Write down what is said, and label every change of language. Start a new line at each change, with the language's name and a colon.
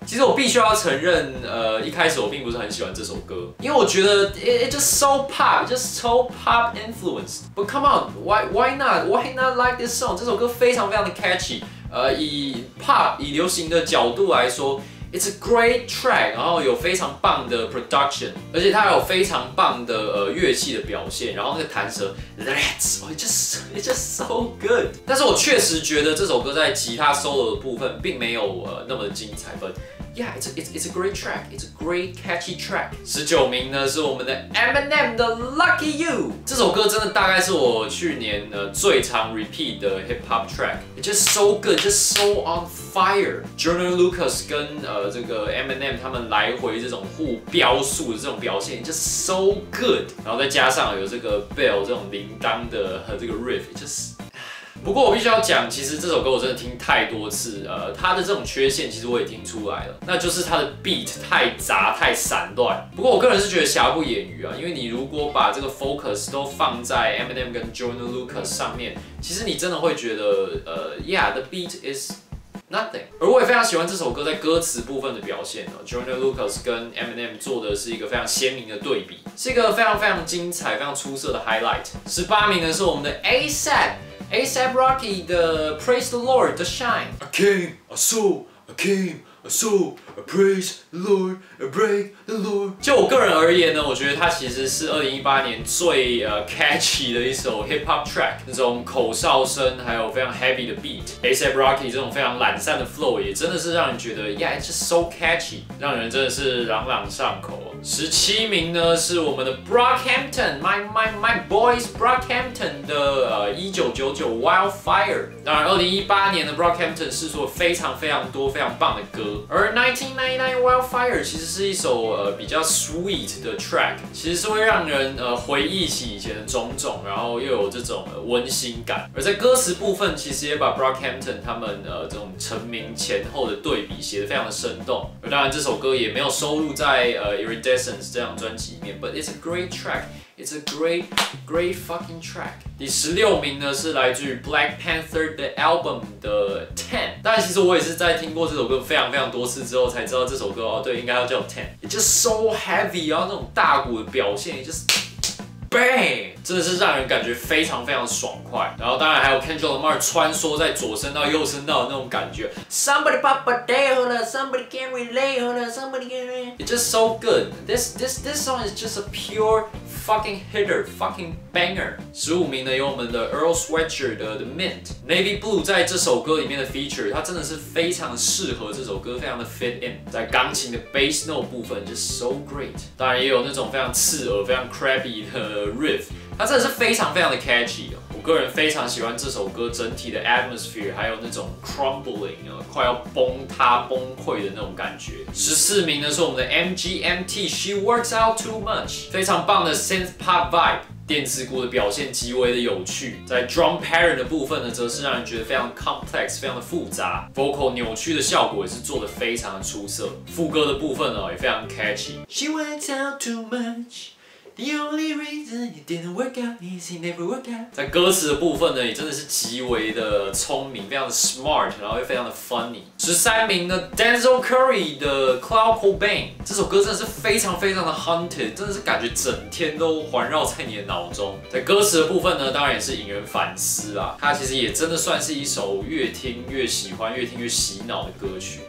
Chinese: 其实我必须要承认一开始我并不是很喜欢这首歌，因为我觉得
English: it just so pop influenced， but come on， why not like this song，
Chinese: 这首歌非常非常的 catchy， 以 pop 以流行的角度来说，
English: It's a great track，
Chinese: 然后有非常棒的 production， 而且它有非常棒的乐器的表现，然后那个弹舌 ，
English: it's just so good。
Chinese: 但是我确实觉得这首歌在吉他 solo 的部分并没有那么精彩 ，
English: but yeah， it's a great track， it's a great catchy track。
Chinese: 19名呢是我们的 Eminem 的 Lucky You， 这首歌真的大概是我去年最常 repeat 的 hip hop track。
English: It's just so good, just so on fire.
Chinese: Jordan Lucas 跟这个 Eminem 他们来回这种互飙速的这种表现 ，
English: just so good.
Chinese: 然后再加上有这个 bell 这种铃铛的这个 riff， just。不过我必须要讲，其实这首歌我真的听太多次，它的这种缺陷其实我也听出来了，那就是它的 beat 太杂太散乱。不过我个人是觉得瑕不掩瑜啊，因为你如果把这个 focus 都放在 Eminem 跟 Jordan Lucas 上面，其实你真的会觉得
English: yeah the beat is nothing。
Chinese: 而我也非常喜欢这首歌在歌词部分的表现哦 ，Jordan Lucas 跟 Eminem 做的是一个非常鲜明的对比，是一个非常非常精彩、非常出色的 highlight。 18名呢是我们的 ASAP Rocky 的 Praise the Lord The Shine。
English: I came, I saw, I praise the Lord, I break the Lord。
Chinese: 就我个人而言呢，我觉得它其实是2018年最catchy 的一首 hip hop track， 那种口哨声还有非常 heavy 的 beat。 ASAP Rocky 这种非常懒散的 flow 也真的是让人觉得 ，
English: yeah， it's just so catchy，
Chinese: 让人真的是朗朗上口。 17名呢是我们的 Brockhampton，
English: my boys
Chinese: Brockhampton 的1999 Wildfire。当然2018年的 Brockhampton 是做非常非常多非常棒的歌，而1999 Wildfire 其实是一首比较 sweet 的 track， 其实是会让人回忆起以前的种种，然后又有这种温馨感。而在歌词部分其实也把 Brockhampton 他们这种成名前后的对比写得非常的生动。而当然这首歌也没有收录在Iridescence 这张专辑里面，
English: but it's a great track， It's a great, great fucking track.
Chinese: 第十六名呢是来自于 Black Panther The Album 的 Ten。但其实我也是在听过这首歌非常非常多次之后才知道这首歌哦，对，应该要叫 Ten。
English: It's just so heavy
Chinese: 啊，那种大鼓的表现 ，
English: just bang，
Chinese: 真的是让人感觉非常非常爽快。然后当然还有 Kendrick Lamar 穿梭在左声道右声道的那种感觉。
English: Somebody pop a day hold up, somebody can relate hold up, somebody can relate. It's just so good. This song is just a pure. Fucking hitter, fucking banger.
Chinese: 十五名呢有我们的 Earl Sweatshirt 的 The Mint Navy Blue 在这首歌里面的 feature， 它真的是非常适合这首歌，非常的 fit in。在钢琴的 bass note 部分
English: just so great。
Chinese: 当然也有那种非常刺耳、非常 crappy 的 riff， 它真的是非常非常的 catchy、哦。我个人非常喜欢这首歌整体的 atmosphere， 还有那种 crumbling 快要崩塌崩溃的那种感觉。十四名呢是我们的 MGMT She Works Out Too Much， 非常棒的 synth pop vibe， 电子鼓的表现极为的有趣。在 drum pattern 的部分呢，则是让人觉得非常 complex， 非常的复杂。 vocal 扭曲的效果也是做得非常的出色。副歌的部分呢也非常 catchy。
English: She works out too much. The only reason it didn't work out is he never worked out。
Chinese: 在歌词的部分呢，也真的是极为的聪明，非常的 smart， 然后又非常的 funny。十三名呢 ，Denzel Curry 的 Cloud Cobain， 这首歌真的是非常非常的 haunted， 真的是感觉整天都环绕在你的脑中。在歌词的部分呢，当然也是引人反思啦。它其实也真的算是一首越听越喜欢、越听越洗脑的歌曲。